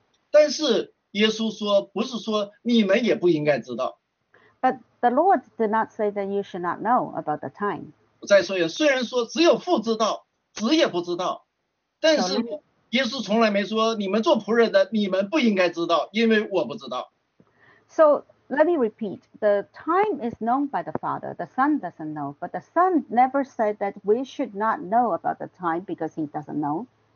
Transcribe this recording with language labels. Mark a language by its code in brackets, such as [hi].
[zh] 但是耶稣说不是说你们也不应该知道。 [en] But the Lord did not say that you should not know about the time. [zh] 我再说一下，虽然说只有父知道，子也不知道，但是耶稣从来没说你们做仆人的你们不应该知道，因为我不知道。 [en] So let me repeat, the time is known by the Father, the Son doesn't know, but the Son never said that we should not know about the time because he doesn't know.